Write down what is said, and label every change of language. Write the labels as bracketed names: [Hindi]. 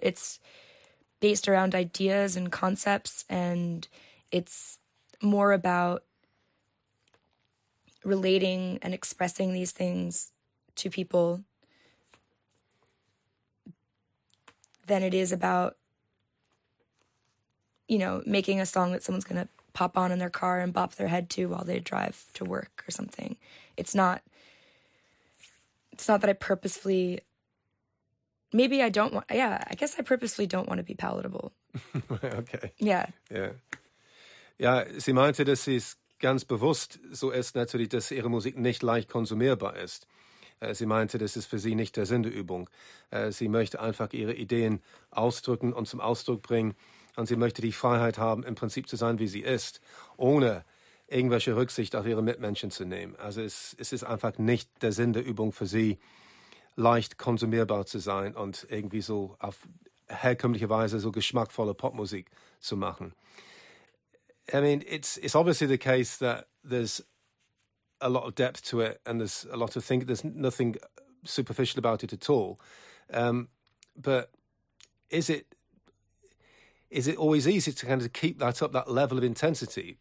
[English] It's based around ideas and concepts, and it's more about relating and expressing these things to people than it is about, you know, making a song that someone's going to pop on in their car and bop their head to while they drive to work or something. It's not that I purposefully, maybe I don't want, yeah, I guess I purposefully don't want to be palatable. Okay. Yeah. Yeah. [German] Ja, sie meinte, dass sie es ganz bewusst so ist, natürlich, dass ihre Musik nicht leicht konsumierbar ist. Sie meinte, das ist für sie nicht der Sinn der Übung. Sie möchte einfach ihre Ideen ausdrücken und zum Ausdruck bringen. Und sie möchte die Freiheit haben, im Prinzip zu sein, wie sie ist, ohne irgendwelche Rücksicht auf ihre Mitmenschen zu nehmen. Also es ist einfach nicht der Sinn der Übung für sie, leicht konsumierbar zu sein und irgendwie so auf herkömmliche Weise so geschmackvolle Popmusik zu machen. [English] I mean, it's obviously the case that there's a lot of depth to it and there's a lot of things. There's nothing superficial about it at all. But is it always easy to kind of keep that up, that level of intensity?